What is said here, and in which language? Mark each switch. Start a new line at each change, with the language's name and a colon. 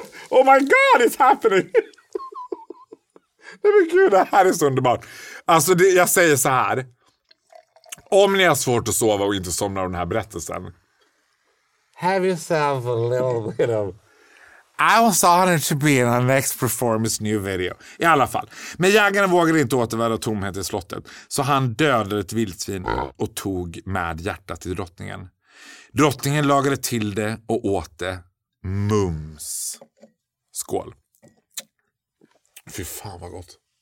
English: Oh my god, it's happening!
Swedish: Men gud, det här är så underbart. Alltså, jag säger så här. Om ni har svårt att sova och inte somnar av den här berättelsen.
English: Have yourself a little bit of... I was honored to be in our next performance new video.
Swedish: I alla fall. Men jägaren vågade inte återvända tomhet i slottet. Så han dödade ett vildsvin och tog med hjärtat till drottningen. Drottningen lagade till det och åt det. Mums. Skål. Fy fan vad gott.